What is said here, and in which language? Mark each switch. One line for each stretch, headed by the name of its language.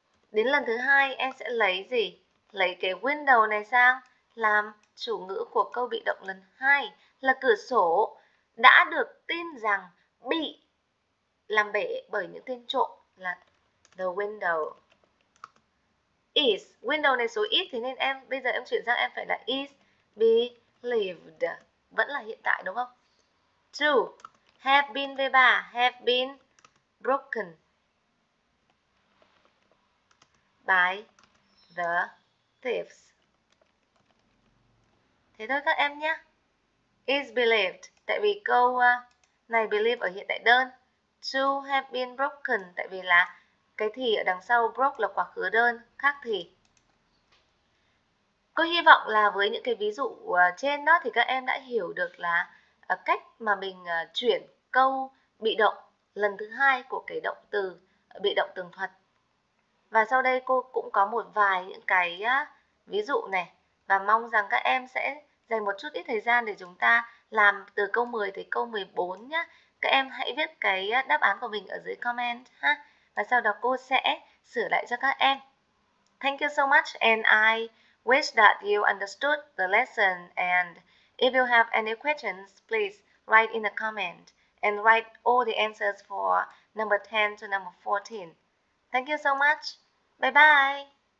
Vietnamese: Đến lần thứ hai em sẽ lấy gì? Lấy cái window này sang làm chủ ngữ của câu bị động lần hai là cửa sổ đã được tin rằng bị làm bể bởi những tên trộm là
English: the window is.
Vietnamese: Window này số ít thế nên em bây giờ em chuyển sang em phải là is believed, vẫn là hiện tại đúng không?
English: To have been V3, have been broken by the thieves.
Vietnamese: Thế thôi các em nhé. Is believed, tại vì câu này believe ở hiện tại đơn.
English: To have been broken,
Vietnamese: tại vì là cái thì ở đằng sau broke là quá khứ đơn, khác thì. Cô hy vọng là với những cái ví dụ trên đó thì các em đã hiểu được là cách mà mình chuyển câu bị động lần thứ hai của cái động từ bị động tường thuật. Và sau đây cô cũng có một vài những cái ví dụ này và mong rằng các em sẽ dành một chút ít thời gian để chúng ta làm từ câu 10 tới câu 14 nhé. Các em hãy viết cái đáp án của mình ở dưới comment ha. Và sau đó cô sẽ sửa lại cho các em.
English: Thank you so much and I wish that you understood the lesson and if you have any questions, please write in the comment and write all the answers for number 10 to number 14. Thank you so much. Bye bye.